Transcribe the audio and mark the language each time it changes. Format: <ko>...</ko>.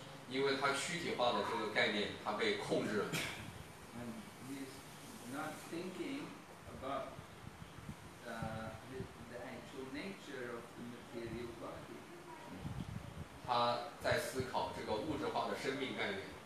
<zh>因为他躯体化的这个概念，他被控制了。</zh> <en>And he's not thinking about the actual nature of the material body.</en> <zh>他在思考这个物质化的生命概念。</zh>